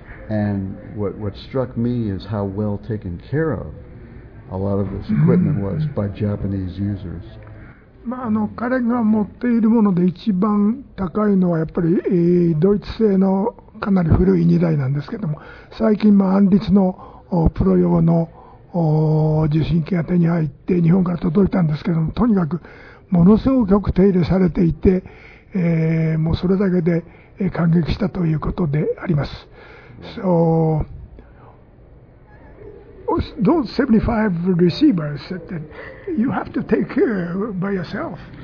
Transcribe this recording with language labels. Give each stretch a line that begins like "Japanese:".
English: And what struck me is how well taken care of a lot of this equipment was by Japanese users.
Japanese: まあ、彼が持っているもので一番高いのはやっぱり、ドイツ製のかなり古い2台なんですけども、最近、アンリツのプロ用の受信機が手に入って日本から届いたんですけども、とにかくものすごく手入れされていて、もうそれだけで感激したということであります。
English: So those 75 receivers that you have to take care by yourself.